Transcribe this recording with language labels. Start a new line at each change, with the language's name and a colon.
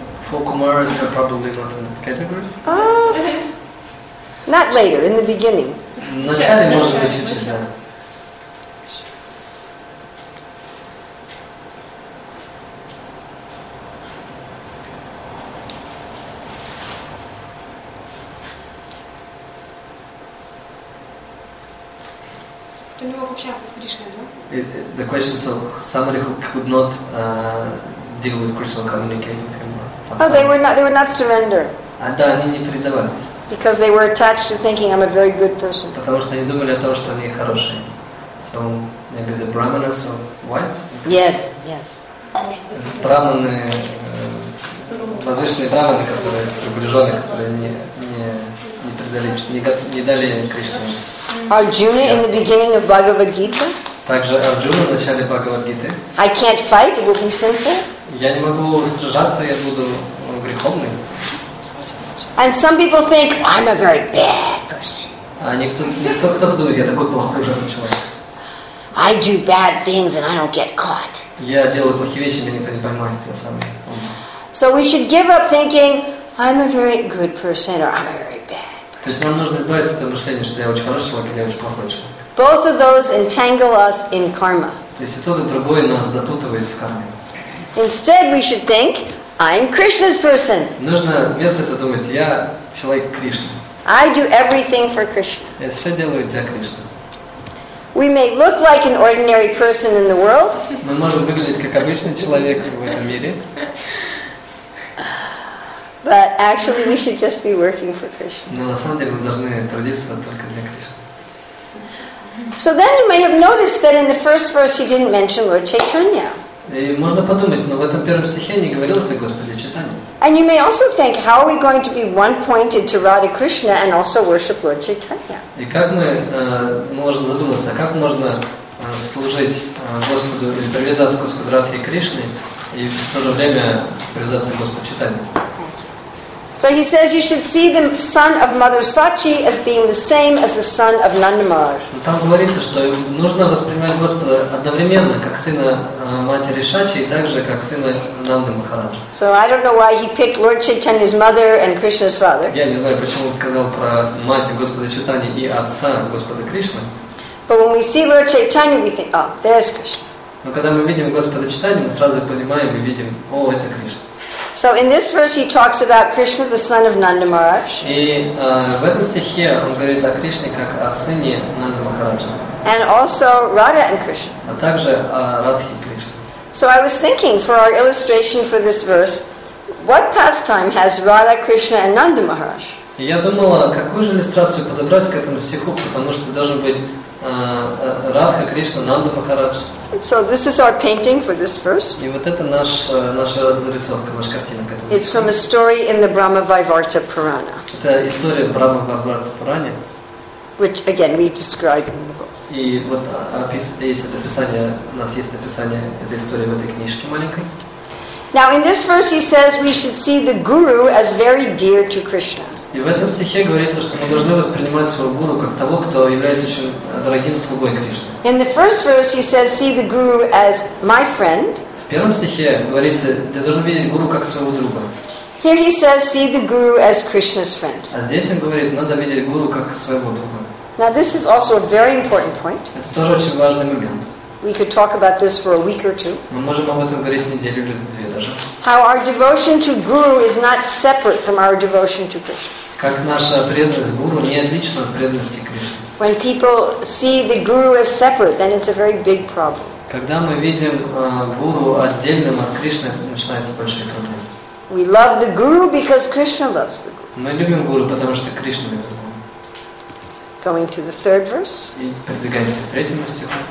English: Four Kumaras are probably not in that category. Not later, in the beginning.
Russian: Вначале, может быть, чуть-чуть, да. Ты не мог общаться с Кришной, да?
English: The question is of somebody who could not deal with Krishna, communicate with him. Oh, they were not surrender.
Russian: А да, они не предавались.
English: Because they were attached to thinking I'm a very good person.
Russian: Потому что они думали о том, что они хорошие.
English: So maybe the brahmanas or wives? Yes.
Russian: Брахманы, возвышенные брахманы, которые приближенные, которые не предались, не дали Кришне.
English: Arjuna in the beginning of Bhagavad Gita?
Russian: Также Арджуна в начале Бхагавад Гиты.
English: I can't fight, it will be sinful.
Russian: Я не могу сражаться, я буду греховным.
English: And some people think I'm a very bad person.
Russian: Кто думает, я такой плохой, ужасный человек.
English: I do bad things and I don't get caught.
Russian: Я делаю плохие вещи, меня никто не поймает, я сам.
English: So we should give up thinking I'm a very good person or I'm a very bad person.
Russian: То есть нам нужно избавиться от этого мышления, что я очень хороший человек или я очень плохой человек.
English: Both of those entangle us in karma.
Russian: То есть тот и другой нас запутывает в карме.
English: Instead, we should think. I'm Krishna's person.
Russian: Нужно вместо этого думать, я человек Кришны.
English: I do everything for Krishna.
Russian: Я все делаю для Кришны.
English: We may look like an ordinary person in the world.
Russian: Мы можем выглядеть как обычный человек в этом мире.
English: But actually, we should just be working for Krishna.
Russian: Но на самом деле мы должны трудиться только для Кришны.
English: So then you may have noticed that in the first verse he didn't mention Lord Chaitanya.
Russian: И можно подумать, но в этом первом стихе не говорилось о Господе Чайтанье.
English: And you may also think, how are we going to be one-pointed to Radha Krishna and also worship Lord Chaitanya?
Russian: И как мы можем задуматься, как можно служить Господу или привязаться к Господу Радхе Кришне и в то же время привязаться к Господу Чайтанье?
English: So he says you should see the son of Mother Sachi as being the same as the son of Nanda Maharaj.
Russian: Но там говорится, что нужно воспринимать Господа одновременно, как сына матери Сачи, и также как сына Нанды Махарадж.
English: So I don't know why he picked Lord Chaitanya's mother and Krishna's father.
Russian: Я не знаю, почему он сказал про мать Господа Чайтаньи и отца Господа Кришны.
English: But when we see Lord Chaitanya, we think, oh, there's Krishna.
Russian: Но когда мы видим Господа Чайтанью, мы сразу понимаем, мы видим, о, это Кришна.
English: So in this verse he talks about Krishna, the son of Nanda Maharaj.
Russian: И в этом стихе он говорит о Кришне как о сыне Нанды Махараджа.
English: And also Radha and Krishna.
Russian: А также Радхи и Кришна.
English: So I was thinking for our illustration for this verse, what pastime has Radha, Krishna and Nanda Maharaj?
Russian: Я думала, какую же иллюстрацию подобрать к этому стиху, потому что должен быть Радха, Кришна, Нанда Махарадж.
English: So this is our painting for this verse.
Russian: И вот это наша зарисовка, наша картина к этому.
English: It's from a story in the Brahmavivarta Purana.
Russian: Это история в Брахмавиварта Пуране.
English: Which again we describe in the book.
Russian: И вот описание у нас есть описание этой истории в этой книжке маленькой.
English: Now in this verse he says we should see the guru as very dear to Krishna.
Russian: И в этом стихе говорится, что мы должны воспринимать своего гуру как того, кто является очень дорогим слугой Кришны.
English: In the first verse he says see the guru as my friend.
Russian: В первом стихе говорится, ты должен видеть гуру как своего друга.
English: Here he says see the guru as Krishna's friend.
Russian: А здесь он говорит, надо видеть гуру как своего друга.
English: Now this is also a very important point.
Russian: Это тоже очень важный момент.
English: We could talk about this for a week or two.
Russian: Мы можем об этом говорить неделю или две даже.
English: How our devotion to guru is not separate from our devotion to Krishna.
Russian: Как наша преданность гуру не отлична от преданности Кришне.
English: When people see the guru as separate, then it's a very big problem.
Russian: Когда мы видим гуру отдельным от Кришны, начинается большая проблема.
English: We love the guru because Krishna loves the guru.
Russian: Мы любим гуру, потому что Кришна любит гуру.
English: Going to the third verse.
Russian: И продвигаемся к третьему стиху.